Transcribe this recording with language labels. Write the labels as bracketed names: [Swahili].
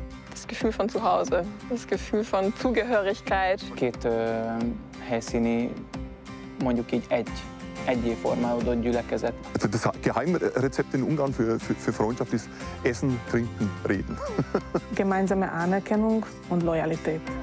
[German] das Gefühl von Zuhause, das Gefühl von Zugehörigkeit. [Hungarian] Két helyszíni, mondjuk így egy formájú gyülekezet. [German] Das Geheimrezept in Ungarn für Freundschaft ist Essen, Trinken, Reden. Gemeinsame Anerkennung und Loyalität.